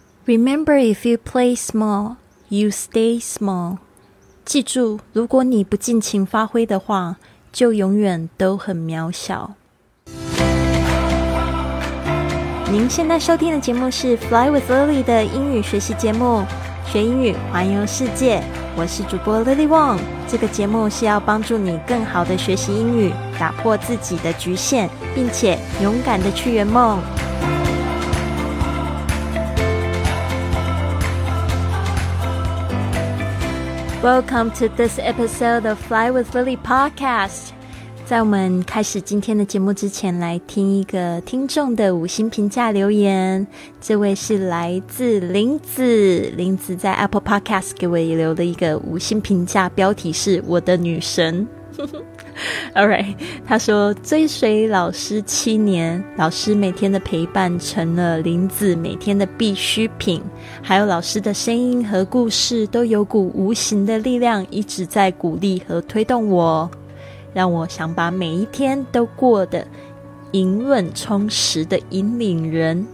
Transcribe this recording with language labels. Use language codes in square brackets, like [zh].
[en] Remember, if you play small, you stay small. [zh] 记住，如果你不尽情发挥的话，就永远都很渺小。您现在收听的节目是 Fly with Lily 的英语学习节目，学英语环游世界。我是主播 Lily Wong。这个节目是要帮助你更好的学习英语，打破自己的局限，并且勇敢的去圆梦。 [en] Welcome to this episode of Fly with Lily podcast. [zh] 在我们开始今天的节目之前，来听一个听众的五星评价留言。这位是来自林子，林子在 Apple Podcast 给我留的一个五星评价，标题是我的女神。 Alright, 他说追随老师七年，老师每天的陪伴成了林子每天的必需品，还有老师的声音和故事都有股无形的力量一直在鼓励和推动我，让我想把每一天都过得盈润充实的引领人。